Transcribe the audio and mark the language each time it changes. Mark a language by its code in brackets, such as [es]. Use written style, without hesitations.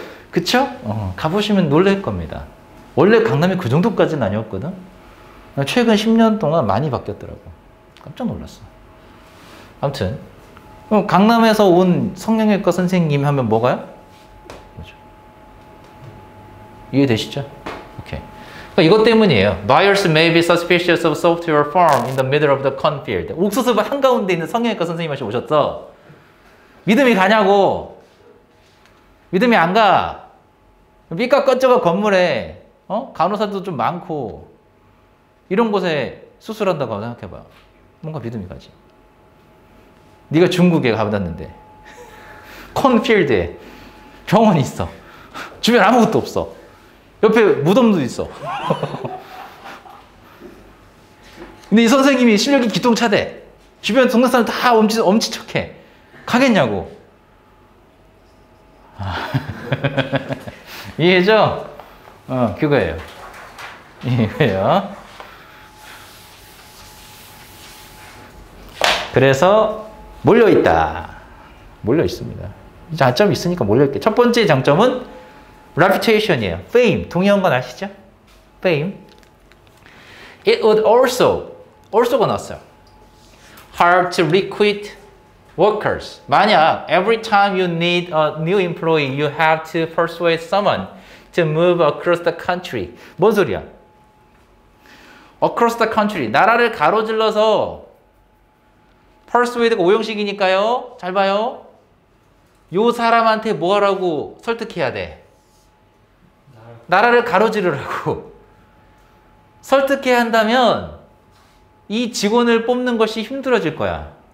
[ko] 그쵸? 가보시면 놀랄 겁니다. 원래 강남이 그 정도까지는 아니었거든. 최근 10년 동안 많이 바뀌었더라고. 깜짝 놀랐어. 아무튼 강남에서 온 성형외과 선생님 하면 뭐가요? 이해되시죠? 오케이. 그러니까 이것 때문이에요. [en] Buyers may be suspicious of software firm in the middle of the cornfield. [ko] 옥수수 한가운데 있는 성형외과 선생님한테 오셨어. 믿음이 가냐고. 믿음이 안 가. 삐까 꺼져가 건물에 간호사도 좀 많고 이런 곳에 수술한다고 생각해봐. 뭔가 믿음이 가지. 네가 중국에 가봤는데 cornfield에 병원이 있어. 주변 아무것도 없어. 옆에 무덤도 있어. 근데 이 선생님이 실력이 기똥차대. 주변 동네 사람 다 엄지척해. 가겠냐고. 이해죠? 그거예요. 이해해요. 그래서 몰려있다. 몰려있습니다. 장점이 있으니까 몰려있게. 첫 번째 장점은 reputation이에요. fame. 동의한 건 아시죠? fame. [en] It would also가 [ko] 나왔어요. [en] hard to recruit workers. [ko] 만약 [en] every time you need a new employee, you have to persuade someone to move across the country. [ko] 뭔 소리야? [en] across the country. [ko] 나라를 가로질러서 persuade가 오형식이니까요. 잘 봐요. 요 사람한테 뭐 하라고 설득해야 돼. 나라를 가로지르라고 설득해야 한다면 이 직원을 뽑는 것이 힘들어질 거야.